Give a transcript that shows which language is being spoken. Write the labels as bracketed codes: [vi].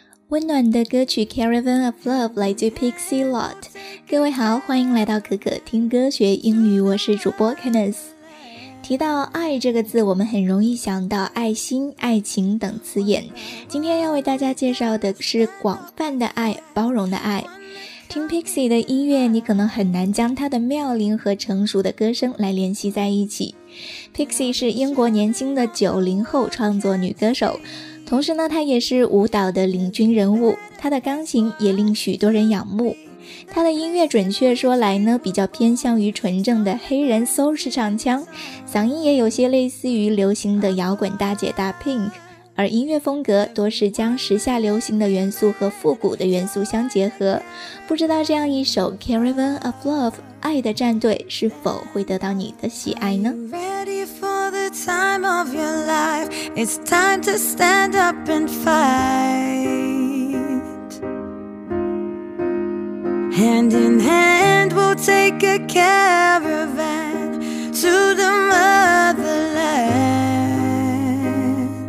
[zh] 温暖的歌曲 Caravan of Love 来自 Pixie Lott。各位好，欢迎来到可可听歌学英语，我是主播 Kenneth。提到爱这个字，我们很容易想到爱心、爱情等词眼。今天要为大家介绍的是广泛的爱、包容的爱。听 Pixie 的音乐，你可能很难将她的妙龄和成熟的歌声来联系在一起。 Pixie 是英国年轻的90后创作女歌手，同时呢，她也是舞蹈的领军人物，她的钢琴也令许多人仰慕。他的音乐准确说来呢，比较偏向于纯正的黑人 soul 式唱腔，嗓音也有些类似于流行的摇滚大姐大 Pink， 而音乐风格多是将时下流行的元素和复古的元素相结合。不知道这样一首 Caravan of Love 爱的战队是否会得到你的喜爱呢？ [en] Ready for the time of your life. It's time to stand up and fight. Hand in hand, we'll take a caravan to the motherland.